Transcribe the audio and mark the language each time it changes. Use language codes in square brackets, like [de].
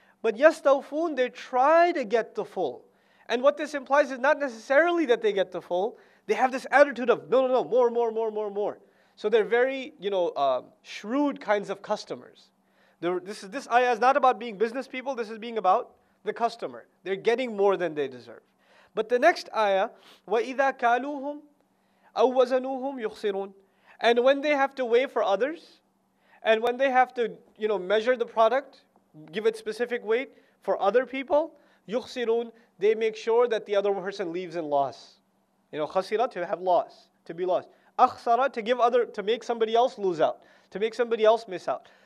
[en] But yastawfun, they try to get the full. And what this implies is not necessarily that they get the full. They have this attitude of, no, more, more, more, more, more. So they're very, you know, shrewd kinds of customers. This ayah is not about being business people. This is being about the customer. They're getting more than they deserve. But the next ayah, [ar] وَإِذَا كَالُوهُمْ أَوْ وَزَنُوهُمْ يُخْسِرُونَ. [en] And when they have to weigh for others, and when they have to, you know, measure the product, give it specific weight for other people, يُخْسِرُونَ, they make sure that the other person leaves in loss. You know, khasira, to have loss, to be lost. Akhsara, to make somebody else lose out, to make somebody else miss out.